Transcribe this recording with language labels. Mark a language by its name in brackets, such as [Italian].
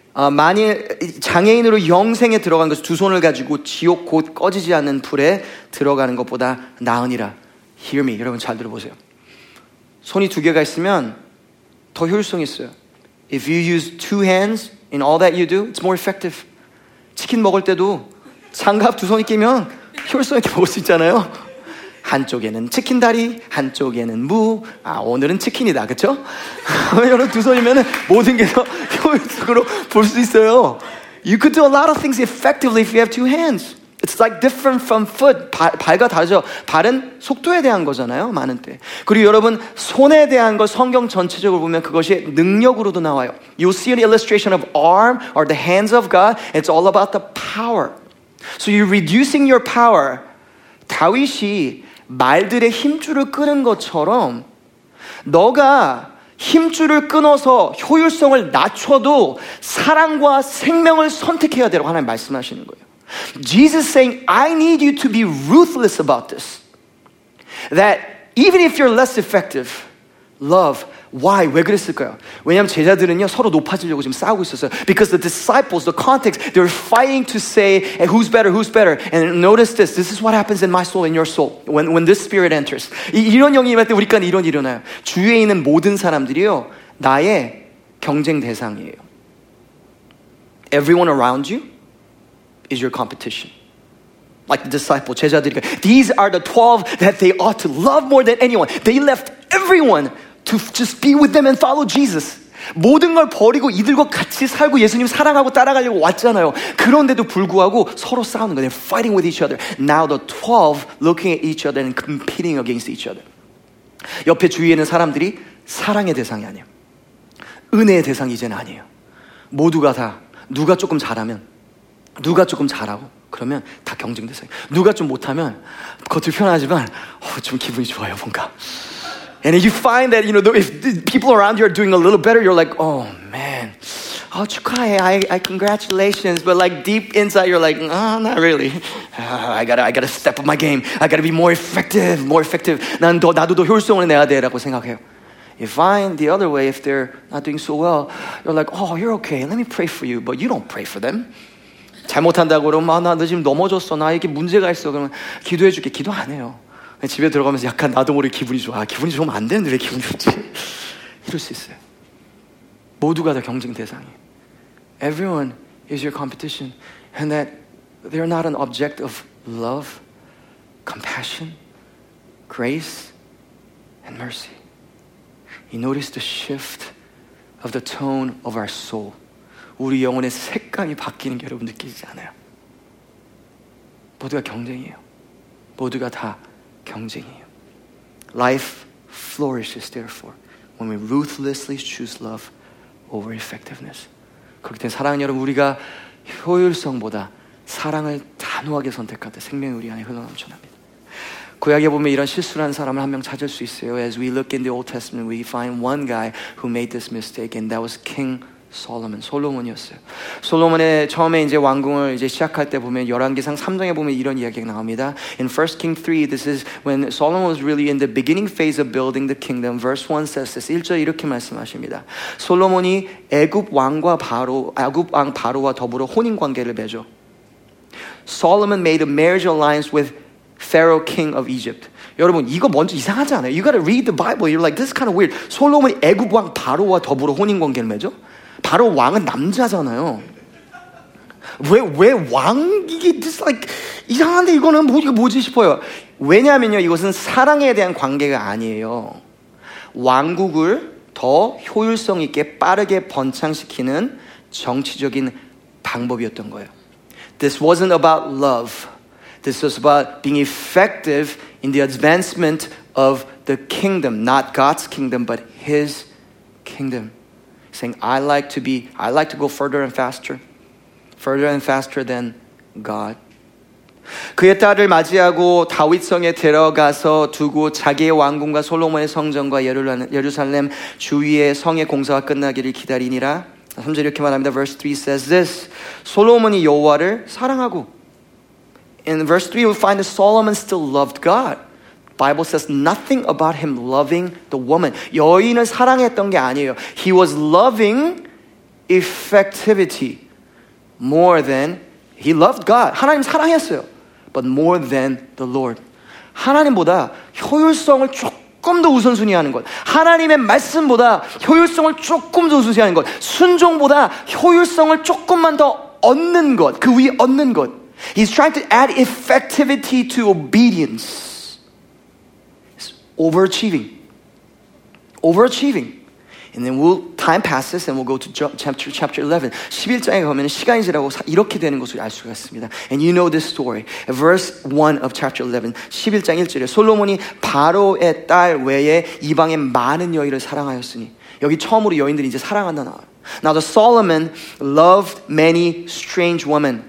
[Korean] 만일 장애인으로 영생에 들어간 것은 두 손을 가지고 지옥 곧 꺼지지 않는 불에 들어가는 것보다 나으니라. [English] Hear me. [Korean] 여러분 잘 들어보세요. 손이 두 개가 있으면 더 효율성이 있어요. [English] If you use two hands in all that you do, it's more effective. [Korean] 치킨 먹을 때도 장갑 두 손이 끼면 효율성 있게 먹을 수 있잖아요. 한쪽에는 치킨 다리, 한쪽에는 무. 아, 오늘은 치킨이다, 그쵸? 여러분 두 손이면 모든 게 더 효율적으로 볼 수 있어요. [English] You could do a lot of things effectively if you have two hands. It's like different from foot. [Korean] 발과 다르죠. 발은 속도에 대한 거잖아요. 많은 때. 그리고 여러분 손에 대한 거 성경 전체적으로 보면 그것이 능력으로도 나와요. [English] You'll see an illustration of arm or the hands of God. It's all about the power. So you're reducing your power. [Korean] 다윗이 말들의 힘줄을 끄는 것처럼 너가 힘줄을 끊어서 효율성을 낮춰도 사랑과 생명을 선택해야 되라고 하나님 말씀하시는 거예요. [English] Jesus saying, I need you to be ruthless about this. That even if you're less effective, love. Why? [Korean] 왜 그랬을까요? 왜냐하면 제자들은요 서로 높아지려고 지금 싸우고 있었어요. [English] Because the disciples, the context, they're fighting to say hey, who's better, who's better. And notice this. This is what happens in my soul, in your soul, when this spirit enters. [Korean] 이런 영이 임할 때 우리 가운데 이런 일이 일어나요. 주위에 있는 모든 사람들이요 나의 경쟁 대상이에요. [English] Everyone around you is your competition. Like the disciples, [Korean] 제자들이. [English] These are the 12 that they ought to love more than anyone. They left everyone to just be with them and follow Jesus. [Korean] 모든 걸 버리고 이들과 같이 살고 예수님 사랑하고 따라가려고 왔잖아요. 그런데도 불구하고 서로 싸우는 거예요. [English] They're fighting with each other. Now the 12 looking at each other and competing against each other. [Korean] 옆에 주위에 있는 사람들이 사랑의 대상이 아니에요. 은혜의 대상이 이제는 아니에요. 모두가 다 누가 조금 잘하면 누가 조금 잘하고 그러면 다 경쟁 대상. 누가 좀 못하면 겉을 편하지만 좀 기분이 좋아요 뭔가. [English] And if you find that, you know, if people around you are doing a little better, you're like, oh man, oh, [Korean] 축하해, [English] I congratulations. But like deep inside, you're like, oh, not really. I gotta step up my game. I gotta be more effective, more effective. [Korean] 나도 더 효율성을 내야 돼라고 생각해요. [English] You find the other way, if they're not doing so well, you're like, oh, you're okay. Let me pray for you. But you don't pray for them. [Korean] 잘못한다고 그러면, 아, 나 지금 넘어졌어. 나 이렇게 문제가 있어. 그러면 기도해 줄게. 기도 안 해요. 집에 들어가면서 약간 나도 모르게 기분이 좋아. 기분이 좋으면 안 되는데 왜 기분이 좋지? 이럴 수 있어요. 모두가 다 경쟁 대상이에요. [English] Everyone is your competition. And that they're not an object of love, compassion, grace, and mercy. You notice the shift of the tone of our soul. [Korean] 우리 영혼의 색감이 바뀌는 게 여러분 느끼지 않아요? 모두가 경쟁이에요. 모두가 다 경쟁이에요. [English] Life flourishes, therefore, when we ruthlessly choose love over effectiveness. [Korean] 그렇기 때문에 사랑은 여러분 우리가 효율성보다 사랑을 단호하게 선택할 때 생명이 우리 안에 흘러넘쳐납니다. 구약에 보면 이런 실수라는 사람을 한 명 찾을 수 있어요. [English] As we look in the Old Testament, we find one guy who made this mistake, and that was King Solomon, [Korean] 솔로몬이었어요. 솔로몬의 처음에 이제 왕궁을 이제 시작할 때 보면 열왕기상 3장에 보면 이런 이야기가 나옵니다. [English] In 1 Kings 3, this is when Solomon was really in the beginning phase of building the kingdom. Verse 1 says this. [Korean] 1절 이렇게 말씀하십니다. 솔로몬이 애굽 왕과 바로 애굽 왕 바로와 더불어 혼인 관계를 맺죠. [English] Solomon made a marriage alliance with Pharaoh, king of Egypt. [Korean] 여러분 이거 먼저 이상하지 않아요? [English] You got to read the Bible. You're like this is kind of weird. [Korean] 솔로몬이 애굽 왕 바로와 더불어 혼인 관계를 맺죠? 바로 왕은 남자잖아요. 왜 왕 이게 [English] just like [Korean] 이상한데 이거는 뭐지 싶어요. 왜냐하면요 이것은 사랑에 대한 관계가 아니에요. 왕국을 더 효율성 있게 빠르게 번창시키는 정치적인 방법이었던 거예요. [English] This wasn't about love. This was about being effective in the advancement of the kingdom, not God's kingdom, but His kingdom. Saying, I like to go further and faster than God. [Korean] 그의 딸을 맞이하고 다윗성에 데려가서 두고 자기의 왕궁과 솔로몬의 성전과 예루살렘 주위의 성의 공사가 끝나기를 기다리니라. 3절 이렇게 말합니다. [English] Verse 3 says this. [Korean] 솔로몬이 여호와를 사랑하고. [English] In verse 3, we find that Solomon still loved God. Bible says nothing about him loving the woman. [Korean] 여인을 사랑했던 게 아니에요. [English] He was loving effectivity more than he loved God. [Korean] 하나님 사랑했어요. [English] But more than the Lord. [Korean] 하나님보다 효율성을 조금 더 우선순위 하는 것. 하나님의 말씀보다 효율성을 조금 더 우선순위 하는 것. 순종보다 효율성을 조금만 더 얻는 것. 그 위에 얻는 것. [English] He's trying to add effectivity to obedience. Overachieving. Overachieving. And then we'll, time passes and we'll go to chapter 11. [Korean] 11장에 가면 시간이 지나고 이렇게 되는 것을 알 수가 있습니다. [English] And you know this story. Verse 1 of chapter 11. [Korean] 11장 1절에 솔로몬이 바로의 딸 외에 이방의 많은 여인을 사랑하였으니 여기 처음으로 여인들이 이제 사랑한다 나와요. [English] Now the Solomon loved many strange women.